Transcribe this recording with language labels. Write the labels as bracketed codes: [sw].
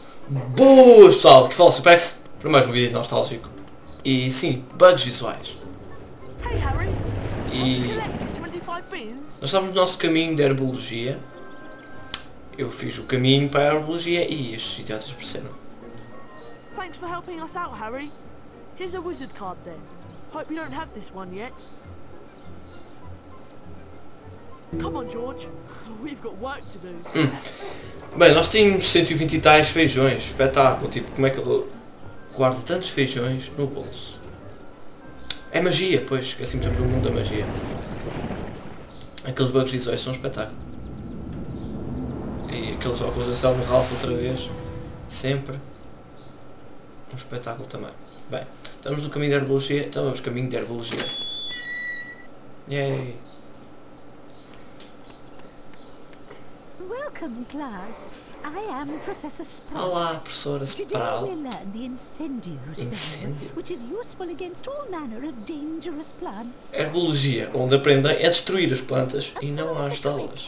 [pt] Boas pessoal, que fala o Supex, para mais um vídeo nostálgico. E sim, bugs visuais. [en] Hey Harry, [pt] e nós estamos no nosso caminho de herbologia. Eu fiz o caminho para a herbologia e estes idiotas apareceram. [en] Thanks for helping us out, Harry. Here's a wizard card then. Hope you don't have this one yet. Come on, George. We've got work to do. [pt] Bem, nós temos 120 e tais feijões. Espetáculo. Tipo, como é que eu guardo tantos feijões no bolso? É magia, pois. Esqueci-me sempre do mundo da magia. Aqueles bugs visuais são um espetáculo. E aqueles óculos de Salmo Ralph outra vez. Sempre. Um espetáculo também. Bem, estamos no caminho da herbologia. Então vamos caminho da herbologia. Yay! [en] Welcome, class. I am Professor Sprout. [pt] Olá, professora Sprout. [en] Did you only learn the incendio spell, which is useful against all manner of dangerous plants? [pt] Herbologia, onde aprendem a destruir as plantas e não a ajudá-las.